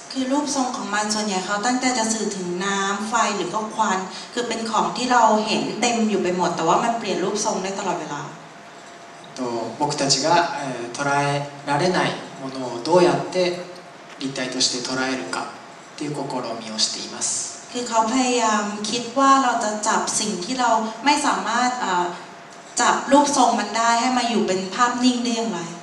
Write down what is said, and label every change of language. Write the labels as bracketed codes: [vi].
[th] คือรูปทรงของมันส่วนใหญ่เขาตั้งใจจะสื่อถึงน้ำไฟหรือก็ควันคือเป็นของที่เราเห็นเต็มอยู่ไปหมดแต่ว่ามันเปลี่ยนรูปทรงได้ตลอดเวลา [ja] 僕たちが捉えられないものをどうやって立体として捉えるかっていう試みをしています。 [th] คือเขาพยายามคิดว่าเราจะจับสิ่งที่เราไม่สามารถจับรูปทรงมันได้ให้มาอยู่เป็นภาพนิ่งได้อย่างไร